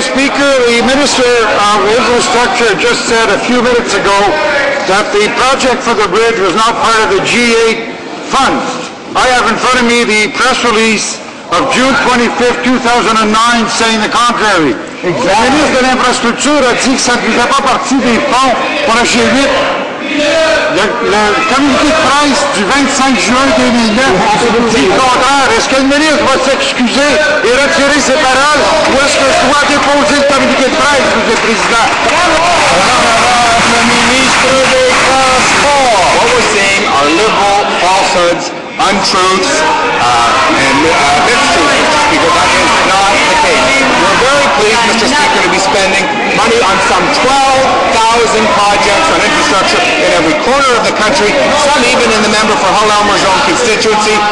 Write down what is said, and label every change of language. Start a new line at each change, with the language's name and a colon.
English: Speaker, the Minister of Infrastructure just said a few minutes ago that the project for the bridge was not part of the G8 fund. I have in front of me the press release of June 25, 2009, saying the contrary. Exactly. The Minister of Infrastructure
French: a dit que ça ne faisait pas partie des fonds pour le G8. Le communiqué de presse du 25 juin 2009 dit le contraire. Est-ce que le ministre va s'excuser et retirer ses paroles ou est-ce que je dois déposer le communiqué de presse, Monsieur le Président? Bravo! Le ministre des Transports.
English: What we're seeing are liberal falsehoods, untruths, mistruths, because that is not the case. We're very pleased, Mr. Speaker, to be spending money on some 12,000 projects on infrastructure in every corner of the country, some even in the member for Hull Elmer's own constituency.